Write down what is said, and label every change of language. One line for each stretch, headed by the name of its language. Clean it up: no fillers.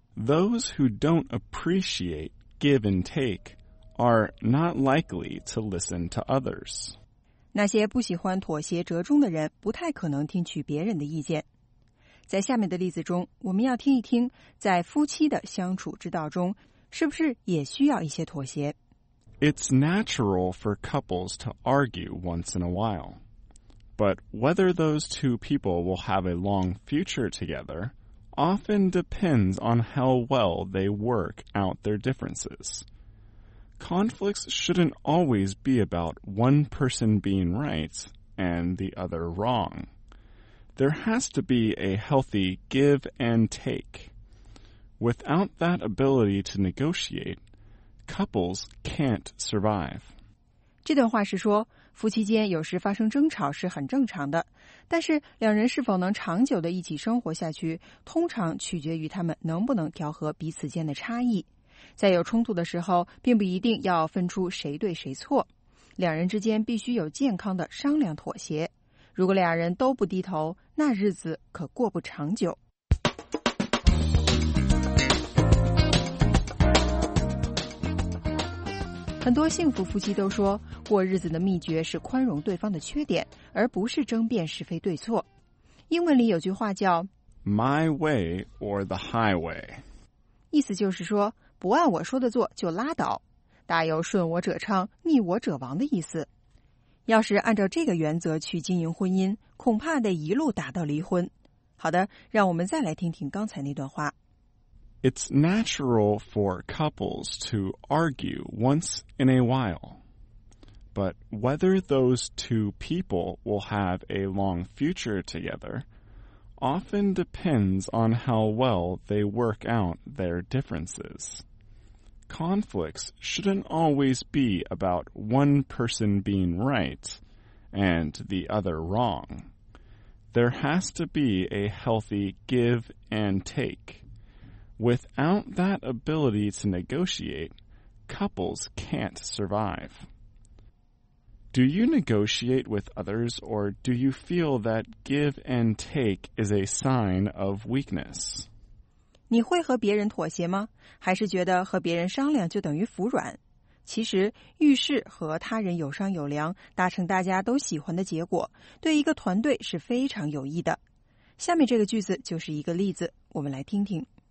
English: Those who don't appreciate give and take are not likely to listen to others
Chinese: 那些不喜欢妥协折中的人不太可能听取别人的意见在下面的例子中我们要听一听在夫妻的相处之道中是不是也需要一些妥协
English: It's natural for couples to argue once in a while. But whether those two people will have a long future together often depends on how well they work out their differences. Conflicts shouldn't always be about one person being right and the other wrong. There has to be a healthy give and take. Without that ability to negotiate, Couples can't survive.
Chinese: 这段话是说，夫妻间有时发生争吵是很正常的，但是两人是否能长久的一起生活下去，通常取决于他们能不能调和彼此间的差异。在有冲突的时候，并不一定要分出谁对谁错，两人之间必须有健康的商量妥协。如果俩人都不低头，那日子可过不长久。很多幸福夫妻都说，过日子的秘诀是宽容对方的缺点，而不是争辩是非对错。英文里有句话叫
English: My way or the highway，
Chinese: 意思就是说不按我说的做就拉倒，大有顺我者昌逆我者亡的意思。要是按照这个原则去经营婚姻，恐怕得一路打到离婚。好的，让我们再来听听刚才那段话。
English: It's natural for couples to argue once in a while. But whether those two people will have a long future together often depends on how well they work out their differences. Conflicts shouldn't always be about one person being right and the other wrong. There has to be a healthy give and take. Without that ability to negotiate, couples can't survive. Do you negotiate with others, or do you feel that give and take is a sign of weakness?
Chinese: 你会和别人妥协吗？还是觉得和别人商量就等于服软？其实，遇事和他人有商有量，达成大家都喜欢的结果，对一个团队是非常有益的。下面这个句子就是一个例子，我们来听听。